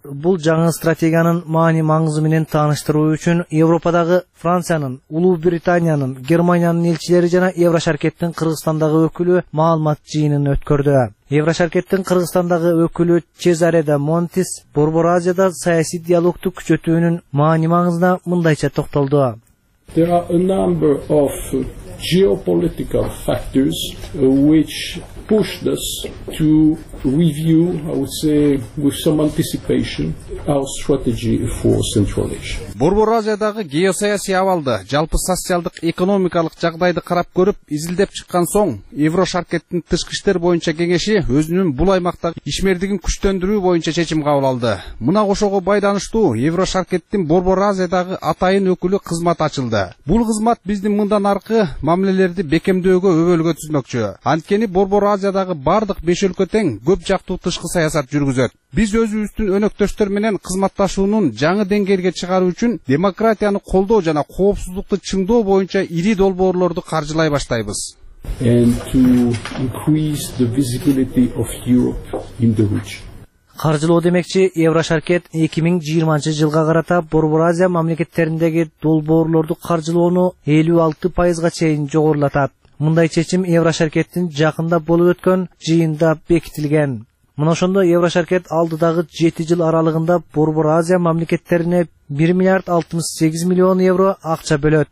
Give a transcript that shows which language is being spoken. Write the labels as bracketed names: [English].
[Kyrgyz] Бул жаңы стратегиянын маани маңызы менен тааныштыруу үчүн Европадагы Франциянын, Улуу Британиянын, Германиянын элчилери жана Еврошаркеттин Кыргызстандагы өкүлү маалымат жыйынын өткөрдү. Еврошаркеттин Кыргызстандагы өкүлү Чезаре да Монтис Борбор Азияда саясий диалогду күчөтүүнүн маани маңызына мындайча токтолду. [English] There are a number of geopolitical factors which pushed us to review, I would say, with some anticipation, our strategy for Central Asia. [Kyrgyz] Борбор Азиядагы геосаясий абалды, жалпы социалдык экономикалык жагдайды карап көрүп, изилдеп чыккан соң, Еврошаркеттин тышкы иштер боюнча кеңеши өзүнүн бул аймактагы ишмердигин күчтөндүрүү боюнча чечим кабыл алды. Мына ошого байланыштуу Еврошаркеттин Борбор Азиядагы атайын өкүлү кызмат ачылды. Бул кызмат биздин мындан аркы мамилелерди бекемдөөгө өбөлгө түзмөкчү. Анткени Борбор Азиядагы бардык 5 өлкө тең көп жактуу тышкы саясат жүргүзөт. Биз өзүбүздүн өнөктөштөр менен кызматташуунун жаңы деңгээлге чыгаруу үчүн демократияны колдоо жана коопсуздукту чыңдоо боюнча ири долбоорлорду каржылай баштайбыз. [English] And to increase the visibility of Europe in the region. [Kyrgyz] Каржылоо демекчи, Еврошаркет 2020 жылга карата Борбор Азия мамлекеттериндеги долбоорлорду каржылоону 56% чейин жогорулатат. Мындай чечим Еврошаркеттин жакында болуп өткөн жыйында бекитилген. Мына ошондо Еврошаркет алдыдагы 7 жыл аралыгында Борбор Азия мамлекеттерине 1,068,000,000 евро акча бөлөт.